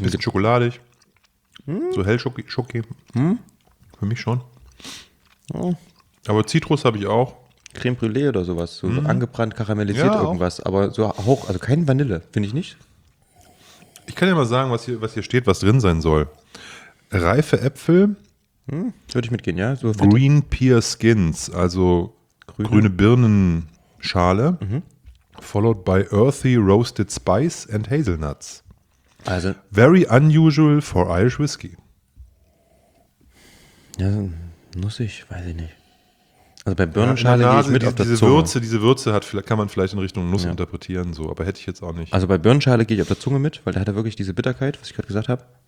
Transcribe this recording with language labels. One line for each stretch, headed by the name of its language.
German: ein bisschen schokoladig. So hell Schoki. Für mich schon. Ja. Aber Zitrus habe ich auch. Creme Brûlée oder sowas. So angebrannt, karamellisiert, ja, irgendwas. Auch. Aber so hoch, also kein Vanille, finde ich nicht. Ich kann ja mal sagen, was hier steht, was drin sein soll. Reife Äpfel. Würde ich mitgehen, ja.
English: So Green Pear Skins,
German: also grüne Birnenschale,
English: followed by earthy roasted spice and hazelnuts.
German: Also
English: very unusual for Irish whiskey.
German: Ja, nussig, weiß ich nicht. Also bei Birnenschale gehe ich mit auf der Zunge. Diese Würze hat, kann man vielleicht in Richtung Nuss interpretieren, so, aber hätte ich jetzt auch nicht. Also bei Birnenschale gehe ich auf der Zunge mit, weil da hat er wirklich diese Bitterkeit, was ich gerade gesagt habe.